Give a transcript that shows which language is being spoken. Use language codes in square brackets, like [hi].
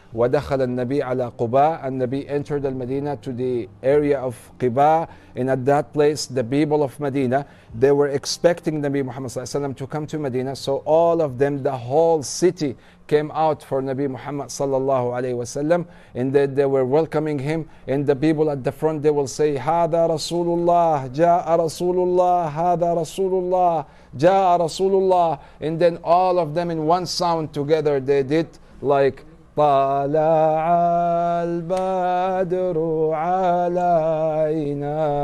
[ar] وَدَخَلَ النَّبِيَ عَلَىٰ قُبَىٰ. [en] And Nabi entered Al-Madinah to the area of Qiba. And at that place, the people of Medina, they were expecting Nabi Muhammad sallallahu alayhi wa sallam to come to Medina. So all of them, the whole city, came out for Nabi Muhammad sallallahu alayhi wa sallam. And they were welcoming him. And the people at the front, they will say, [ar] هَذَا رَسُولُ اللَّهِ جَاءَ رَسُولُ اللَّهِ هَذَا رَسُولُ اللَّهِ جَاءَ رَسُولُ اللَّهِ. [en] And then all of them in one sound together, they did like, [ar] طالع البدر علينا